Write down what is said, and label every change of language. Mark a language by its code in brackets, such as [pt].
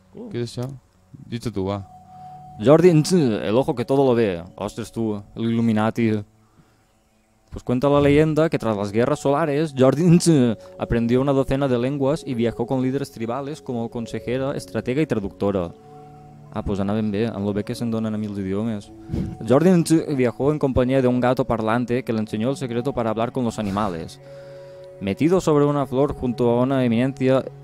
[es] ¿Qué es eso? Dicho tú, va. Jordi, el ojo que todo lo ve. Ostres, tú, el Illuminati. Pues cuenta la leyenda que tras las guerras solares, Jordi aprendió una docena de lenguas y viajó con líderes tribales como consejera, estratega y traductora. [ca] Ah, pues anaven bé, amb lo bé que se'n donen a mil idiomes. [es] Jordi viajó en compañía de un gato parlante que le enseñó el secreto para hablar con los animales. Metido sobre una flor junto a una eminencia...